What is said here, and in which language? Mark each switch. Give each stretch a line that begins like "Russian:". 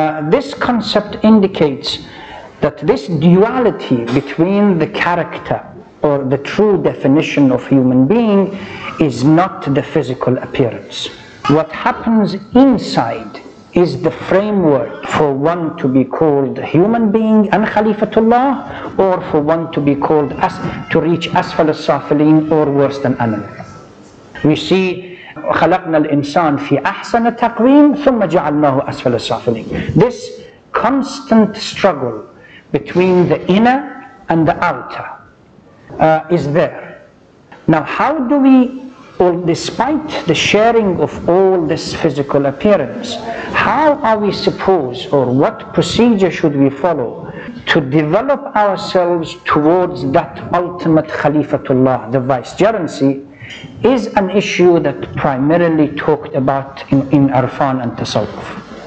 English: This concept indicates that this duality between the character or the true definition of human being is not the physical appearance. What happens inside is the framework for one to be called human being and Khalifatullah, or for one to be called to reach asfal as-safilin or worse than animal. We see
Arabic: خَلَقْنَا الْإِنسَانَ فِي أَحْسَنَ تَقْوِيمٍ ثُمَّ جَعَلْنَاهُ أَسْفَلَ السَّافِلِينَ.
English: This constant struggle between the inner and the outer is there. Now how do we, or despite the sharing of all this physical appearance, how are we supposed, or what procedure should we follow to develop ourselves towards that ultimate Khalifatullah, the vicegerency, is an issue that primarily talked about in Irfan and Tasawwuf.